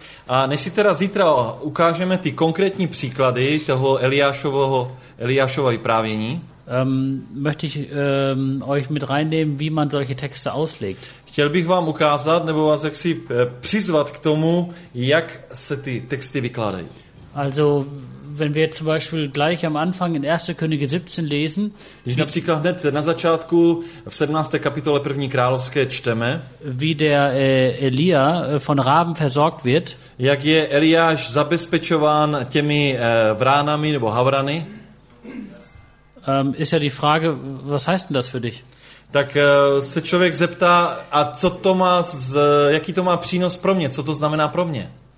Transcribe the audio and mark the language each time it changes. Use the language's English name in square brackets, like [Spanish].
[Czech] A než si teda zítra ukážeme ty konkrétní příklady toho Eliášova vyprávění. [German] Möchte ich euch mit reinnehmen, wie man solche Texte auslegt. [Czech] Chtěl bych vám ukázat nebo vás jaksi přizvat k tomu, jak se ty texty vykládají. [German] Also, wenn wir zum Beispiel gleich am Anfang in 1. Könige 17 lesen, [Czech] když například hned na začátku v 17. kapitole 1. Královské čteme, [German] wie der Elia von Raben versorgt wird, [Czech] jak je Eliáš zabezpečován těmi vránami nebo havrany, [German] ist ja die Frage, was heißt denn das für dich? [Czech] Tak se člověk zeptá, a co to má, jaký to má přínos pro mě, co to znamená pro mě?